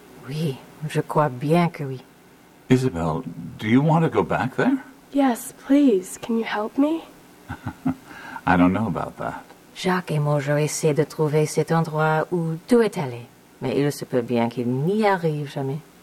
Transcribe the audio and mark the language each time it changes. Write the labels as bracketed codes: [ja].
[fr] Oui, je crois bien que oui. [en] Isabel, do you want to go back there? Yes, please. Can you help me? I don't know about that. [fr] Jacques et Mojo essaient de trouver cet endroit où tout est allé. Mais il se peut bien qu'il n'y arrive jamais.